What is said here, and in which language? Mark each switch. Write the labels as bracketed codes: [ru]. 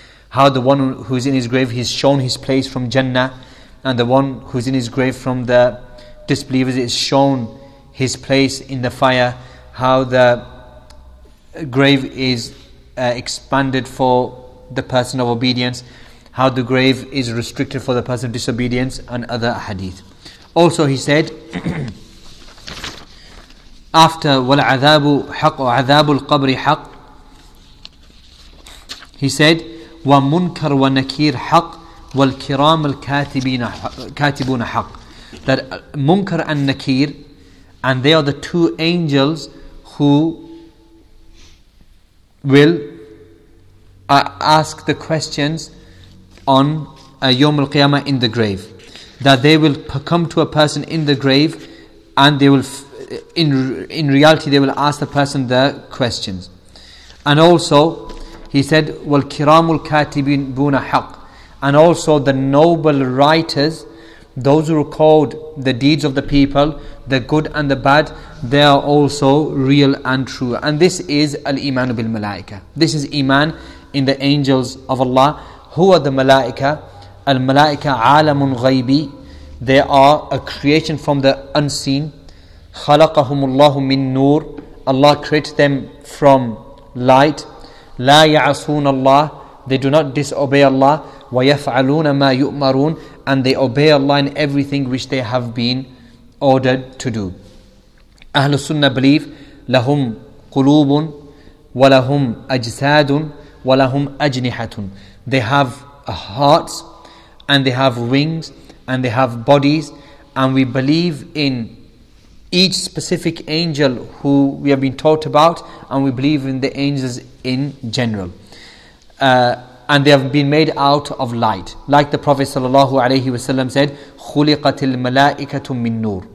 [en] how the one who is in his grave, he's shown his place from Jannah, and the one who's in his grave from the disbelievers is shown his place in the fire, how the grave is expanded for the person of obedience, how the grave is restricted for the person of disobedience, and other hadith. Also he said, after [ar] وَالْعَذَابُ حَقُّ وَعَذَابُ الْقَبْرِ حَقُّ, [en] he said, [ar] وَمُنْكَرْ وَنَكِيرْ حَقُّ والكرام الكاتبين كاتبون حق. [en] That Munkar and Nakir, and they are the two angels who will ask the questions on Yawm al-Qiyamah in the grave. That they will come to a person in the grave, and they will, in reality, they will ask the person the questions. And also, he said, [ar] وَالْكِرَامُ الْكَاتِبِينَ حَقٍ. [en] And also the noble writers, those who record the deeds of the people, the good and the bad, they are also real and true. And this is al-Iman bil Malaika. This is Iman in the angels of Allah. Who are the Malaika? [ar] Al-Malaika عَالَمٌ غَيْبِ. [en] They are a creation from the unseen. [ar] خَلَقَهُمُ اللَّهُ مِن نُور. [en] Allah created them from light. [ar] لا يعصون الله. [en] They do not disobey Allah. [ar] ويفعلون ما يؤمرون. [en] And they obey Allah in everything which they have been ordered to do. [ar] أهل السنة [en] believe [ar] لهم قلوب ولهم أجساد ولهم أجنحة. [en] They have hearts and they have wings and they have bodies, and we believe in each specific angel who we have been taught about, and we believe in the angels in general. And they have been made out of light. Like the Prophet sallallahu alayhi wasallam said, [ar] خُلِقَتِ الْمَلَائِكَةُ مِن نُور.